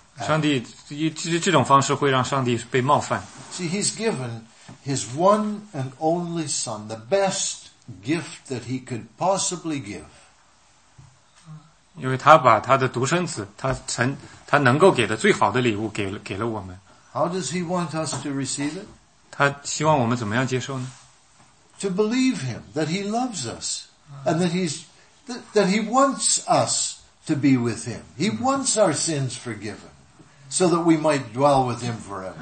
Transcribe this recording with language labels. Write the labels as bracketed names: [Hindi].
[Chinese] 上帝这种方式会让上帝被冒犯。 [English] See, he's given his one and only son, the best gift that he could possibly give. [Chinese] 因为他把他的独生子他能够给的最好的礼物给了我们。 [English] How does he want us to receive it? [Chinese] 他希望我们怎么样接受呢? [English] To believe him, that he loves us, and that he wants us to be with him. He wants our sins forgiven. So that we might dwell with him forever.